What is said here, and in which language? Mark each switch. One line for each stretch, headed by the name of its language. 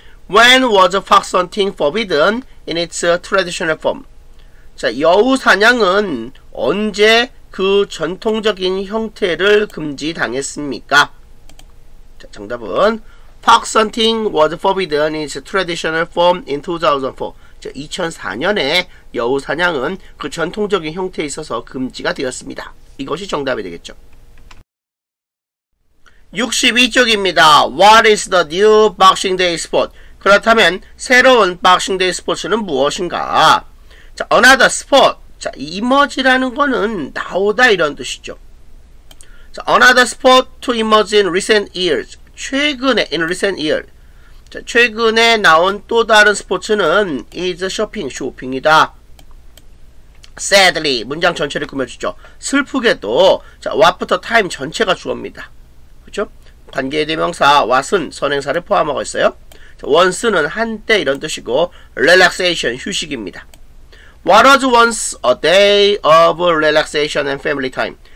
English: When was fox hunting forbidden in its traditional form?
Korean: 자, 여우 사냥은 언제 그 전통적인 형태를 금지당했습니까? 자, 정답은
English: fox hunting was forbidden in its traditional form in 2004.
Korean: 자, 2004년에 여우 사냥은 그 전통적인 형태에 있어서 금지가 되었습니다. 이것이 정답이 되겠죠. 62쪽입니다.
English: What is the new Boxing Day sport?
Korean: 그렇다면 새로운 Boxing Day sports는 무엇인가? 자,
English: another sport.
Korean: 자, emerge라는 거는 나오다 이런 뜻이죠.
English: 자, another sport to emerge in recent years.
Korean: 최근에
English: in recent year.
Korean: 자, 최근에 나온 또 다른 스포츠는
English: is shopping,
Korean: 쇼핑이다. Sadly, 문장 전체를 꾸며주죠. 슬프게도 자, after time 전체가 주어입니다. 그렇죠? 관계대명사 was은 선행사를 포함하고 있어요. once는 한때 이런 뜻이고 relaxation 휴식입니다.
English: What was once a day of relaxation and family time?